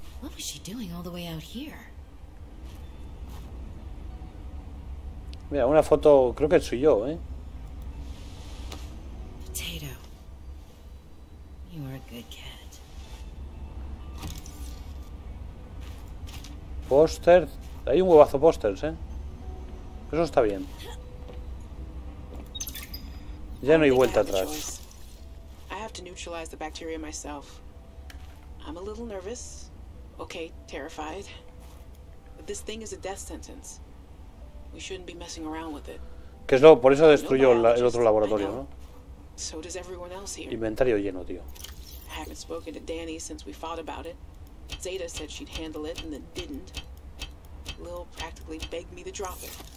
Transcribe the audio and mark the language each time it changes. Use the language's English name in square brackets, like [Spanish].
[English] What was she doing all the way out here? [Spanish] Mira, una foto, creo que soy yo, ¿eh? [English] Potato. You are a good cat. [Spanish] Póster. Hay un huevazo pósters, ¿eh? Eso está bien. Ya no hay vuelta atrás. [English] I have to neutralize the bacteria myself. I'm a little nervous. Okay, terrified. But this thing is a death sentence. We shouldn't be messing around with it. [Spanish] Que es lo, por eso destruyó el otro laboratorio, ¿no? [English] So does everyone else here. [Spanish] Inventario lleno, tío. [English] I haven't spoken to Danny since we fought about it. Zeta said she'd handle it and then didn't. Lil practically begged me to drop it.